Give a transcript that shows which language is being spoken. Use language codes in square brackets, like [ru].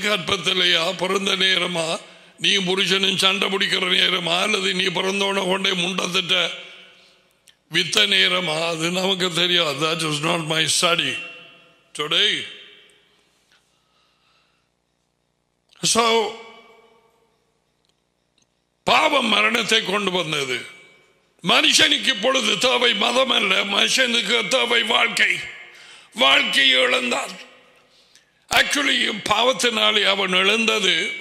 [ta] கற்பத்திலையா, பிறந்த நேரமா, நீ புருஷனும் சண்டை பிடிக்கிற நேரமா, அல்லது நீ பிறந்தவன கொண்டே முண்டத்திட்ட வித்த நேரமா? அது நமக்கு தெரியாது. [en] That was not my study today. [ta] So, பாவம் மரணத்தை கொண்டு வந்தது. மனுஷனுக்கு இப்பொழுது தேவை மதம் அல்ல, மனுஷனுக்கு தேவை வாழ்க்கை. வாழ்க்கை எழுந்தான். ஆக்சுவலி பாவத்தினாலே அவன் எழுந்தது.